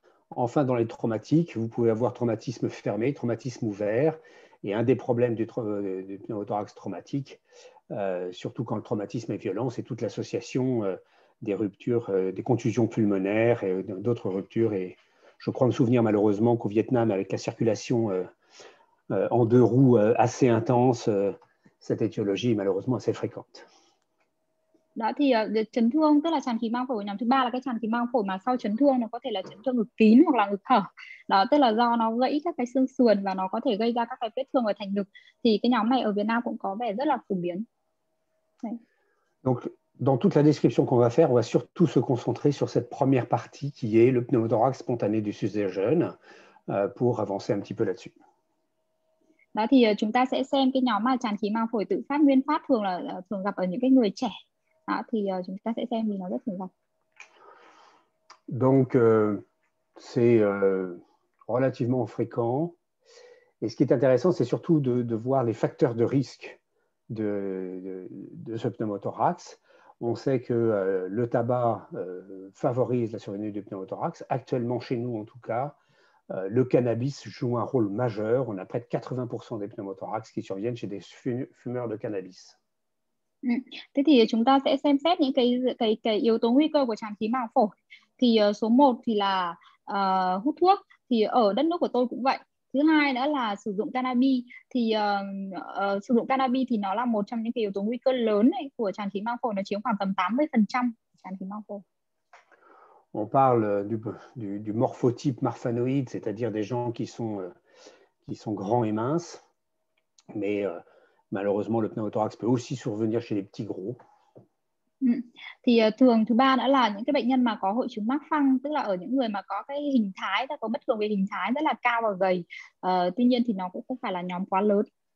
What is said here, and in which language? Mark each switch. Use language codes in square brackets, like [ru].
[fr] Enfin, dans les traumatiques, vous pouvez avoir traumatisme fermé, traumatisme ouvert, et un des problèmes du pneumothorax traumatique, surtout quand le traumatisme est violent, c'est toute l'association des ruptures, des contusions pulmonaires et d'autres ruptures. Et je crois me souvenir malheureusement qu'au Vietnam, avec la circulation en deux roues assez intense, cette étiologie est malheureusement assez fréquente. [vi] Đó thì chấn thương, tức là tràn khí màng phổi nhóm thứ ba là cái tràn khí màng phổi mà sau chấn thương nó có thể là chấn thương ngực kín hoặc là ngực hở. Đó, tức là do nó gãy các cái xương sườn và nó có thể gây ra các cái vết thương ở thành ngực. Thì cái nhóm này ở Việt Nam cũng có vẻ rất là phổ biến. Đấy. [fr] Donc, dans toute la description qu'on va faire, on va surtout se concentrer sur cette première partie qui est le pneumothorax spontané du sujet jeune pour avancer un petit peu là-dessus. [vi] Đó thì chúng ta sẽ xem cái nhóm mà tràn khí màng phổi tự phát nguyên phát thường là thường gặp ở những cái người trẻ. À, thì chúng ta sẽ xem vì nó rất thường gặp. [fr] Donc c'est relativement fréquent. Et ce qui est intéressant, c'est surtout de voir les facteurs de risque de ce pneumothorax. On sait que le tabac favorise la survenue du pneumothorax. Actuellement, chez nous en tout cas, le cannabis joue un rôle majeur. On a près de 80% des pneumothorax qui surviennent chez des fumeurs de cannabis. [vi] Thế thì chúng ta sẽ xem xét những cái yếu tố nguy cơ của tràn khí màng phổi. Thì số 1 thì là hút thuốc. Thì ở đất nước của tôi cũng vậy. Thứ hai nữa là sử dụng cannabis thì sử dụng cannabis thì nó là một trong những cái yếu tố nguy cơ lớn ấy, của tràn khí mang phổi, nó chiếm khoảng tầm 80% tràn khí mang phổi. [fr] On parle du morphotype marfanoïde, c'est-à-dire des gens qui sont grands et minces, mais malheureusement le pneumothorax peut aussi survenir chez les petits gros. [vi] Thì thường thứ ba nữa là những cái bệnh nhân mà có hội chứng mắc phăng, tức là ở những người mà có cái hình thái, ta có bất thường về hình thái rất là cao và gầy. Tuy nhiên thì nó cũng không phải là nhóm quá lớn.